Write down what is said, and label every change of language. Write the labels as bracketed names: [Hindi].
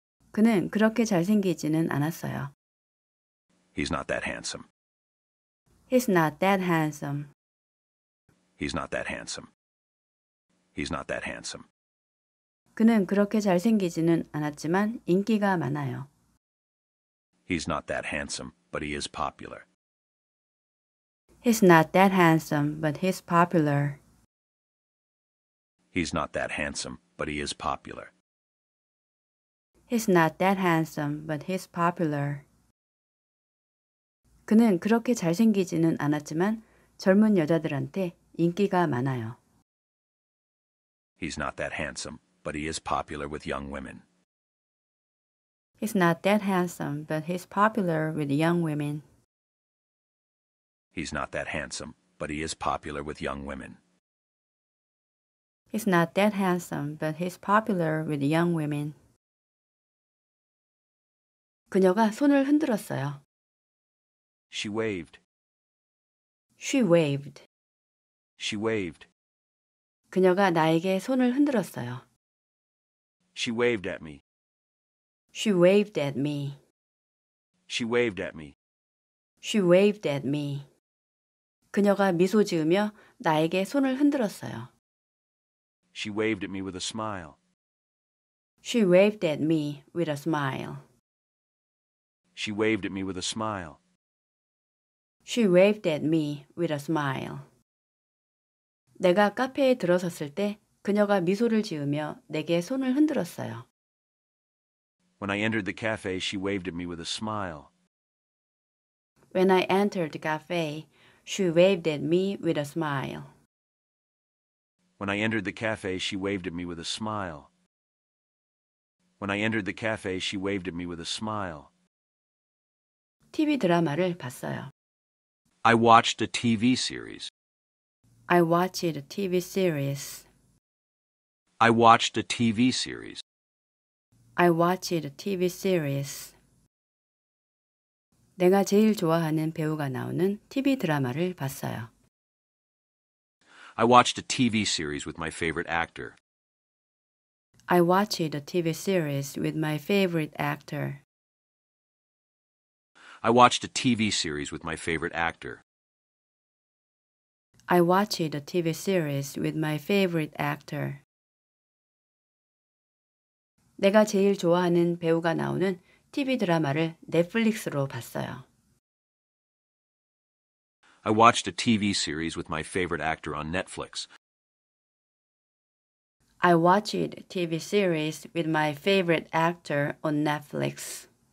[Korean] 그는 그렇게 잘생기지는 않았어요. [English] He's not that handsome. [Korean] 그는 그렇게 잘생기지는 않았지만 인기가 많아요. [English] He's not that handsome, but he is popular. He's not that handsome, but he's popular. He's not that handsome, but he is popular. He's not that handsome, but he's popular. [Korean] 그는 그렇게 잘생기지는 않았지만 젊은 여자들한테 인기가 많아요. [English] He's not that handsome, but he is popular with young women. He's not that handsome, but he's popular with young women. He's not that handsome, but he is popular with young women. He's not that handsome, but he's popular with young women. [Korean] 그녀가 손을 흔들었어요. [English] She waved. She waved. She waved. [Korean] 그녀가 나에게 손을 흔들었어요. [English] She waved at me. She waved at me. She waved at me. She waved at me. [Korean] 그녀가 미소 지으며 나에게 손을 흔들었어요. [English] She waved at me with a smile. She waved at me with a smile. She waved at me with a smile. She waved at me with a smile. [Korean] 내가 카페에 들어섰을 때 그녀가 미소를 지으며 내게 손을 흔들었어요. [English] When I entered the cafe, she waved at me with a smile. When I entered the cafe, she waved at me with a smile. When I entered the cafe, she waved at me with a smile. When I entered the cafe, she waved at me with a smile. [Korean] TV 드라마를 봤어요. [English] I watched a TV series. I watched a TV series. I watched a TV series. I watched a TV series. [Korean] 내가 제일 좋아하는 배우가 나오는 TV 드라마를 봤어요. [English] I watched a TV series with my favorite actor. I watched a TV series with my favorite actor. I watched a TV series with my favorite actor. I watched a TV series with my favorite actor. [Korean] 내가 제일 좋아하는 배우가 나오는 TV 드라마를 넷플릭스로 봤어요. [English] I watched a TV series with my favorite actor on Netflix. I watched a TV series with my favorite actor on Netflix.